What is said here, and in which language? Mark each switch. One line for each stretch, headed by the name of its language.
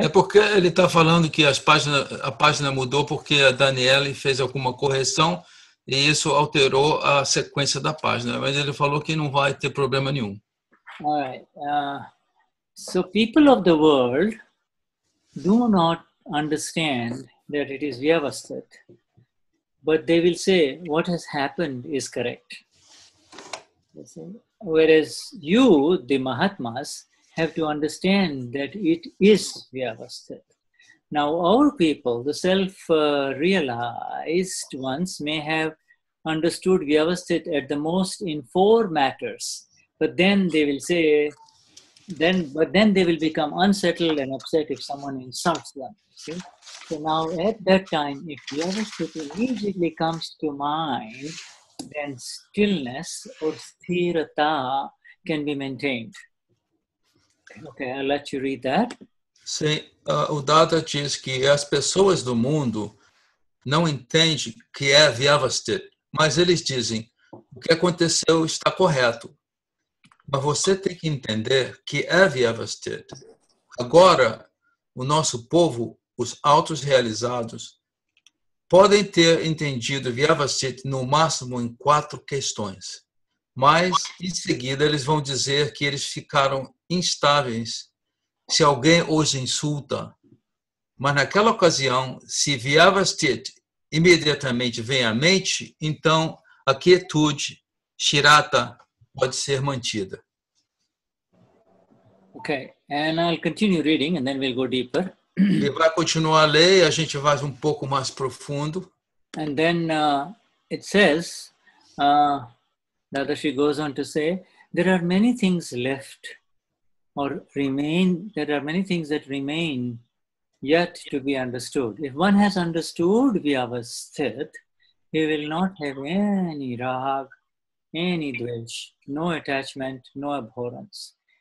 Portuguese: É porque ele está falando que a página mudou porque a Daniele fez alguma correção e isso alterou a sequência da página. Mas ele falou que não vai ter problema nenhum.
English: All right. So people of the world do not understand that it is Vyavastita. But they will say, what has happened is correct. Whereas you, the Mahatmas, have to understand that it is Vyavastita. Now our people, the self-realized ones, may have understood Vyavastita at the most in four matters. But then they will say, then they will become unsettled and upset if someone insults them. See? So now at that time, if Vyavastita immediately comes to mind, then stillness or sthirata can be maintained. Okay, I'll let you read that.
Portuguese: Sim, o Dada diz que as pessoas do mundo não entendem que é Vyavastita, mas eles dizem, o que aconteceu está correto. Mas você tem que entender que é Vyavastita. Agora, o nosso povo, os autos realizados, podem ter entendido Vyavastita no máximo em quatro questões. Mas, em seguida, eles vão dizer que eles ficaram instáveis se alguém os insulta. Mas, naquela ocasião, se Vyavastita imediatamente vem à mente, então a quietude, shirata, pode ser mantida.
English: Ok, and I'll continue reading and then we'll go deeper.
Portuguese: Ele vai continuar a ler e a gente vai um pouco mais profundo.
English: And then it says, Dadashi goes on to say, there are many things left or remain, there are many things that remain yet to be understood. If one has understood Vyavastita, he will not have any rag, any dwesh, no attachment, no abhorrence.